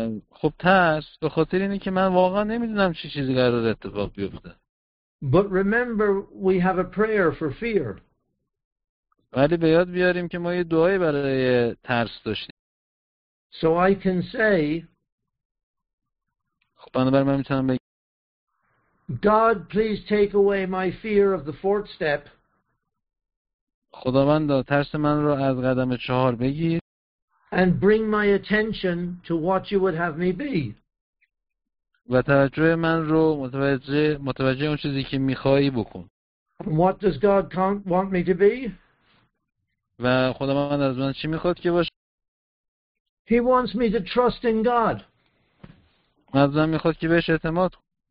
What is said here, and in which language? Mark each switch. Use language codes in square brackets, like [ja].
[fa] خب ترس به خاطر اینه که من واقعا نمیدونم چه چیزی قرار اتفاق بیفته. [en] But remember we have a prayer for fear. [fa] ولی به یاد بیاریم که ما یه دعایی برای ترس داشتیم. [en] So I can say [fa] خب بنابراین من میتونم بگم [en] God, please take away my fear of the fourth step. [fa] خداوند ترس من رو از قدم چهار بگیر. [en] And bring my attention to what you would have me be. [fa] و توجه من رو متوجه اون چیزی که می‌خوایی بکن. [en] What does God want me to be? [fa] و خداوند از من چی می‌خواد که باشه؟ [en] He wants me to trust in God. [fa] از من می‌خواد که بهش اعتماد کنم.